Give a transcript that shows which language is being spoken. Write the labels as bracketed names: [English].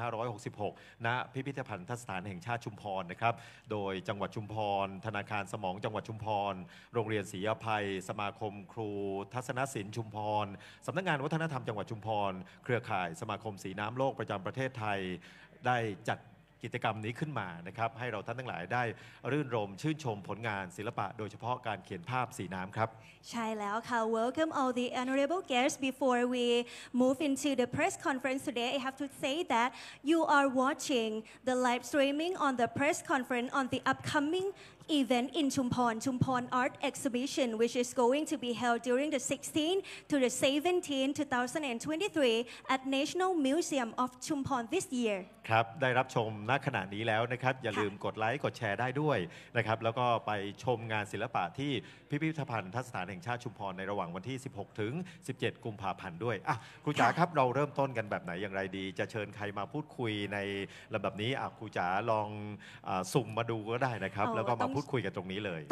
[Thai] 2566ณพิพิธภัณฑสถานแห่งชาติชุมพรนะครับโดยจังหวัดชุมพรธนาคารสมองจังหวัดชุมพรโรงเรียนศรีอภัยสมาคมครูทัศนศิลป์ชุมพรสำนักงานวัฒนธรรมจังหวัดชุมพรเครือข่ายสมาคมสีน้ำโลกประจำประเทศไทยได้จัดกิจกรรมนี้ขึ้นมานะครับให้เราท่านทั้งหลายได้รื่นรมชื่นชมผลงานศิลปะโดยเฉพาะการเขียนภาพสีน้ำครับ ใช่แล้วค่ะ [English] Welcome all the honorable guests. Before we move into the press conference today, I have to say that you are watching the live streaming on the press conference on the upcoming event in Chumphon, Chumphon Art Exhibition, which is going to be held during the 16th to the 17th, 2023 at National Museum of Chumphon this year. [Thai] ครับได้รับชมณขณะนี้แล้วนะครับอย่าลืมกดไลค์กดแชร์ได้ด้วยนะครับแล้วก็ไปชมงานศิลปะที่พิพิธภัณฑ์ทัศนแห่งชาติชุมพรในระหว่างวันที่16ถึง17กุมภาพันธ์ด้วยอ่ะครูจ๋าครับเราเริ่มต้นกันแบบไหนอย่างไรดีจะเชิญใครมาพูดคุยในลำดับนี้อ่ะครูจ๋าลองสุ่มมาดูก็ได้นะครับแล้วก็มาพูดคุยกันตรงนี้เลย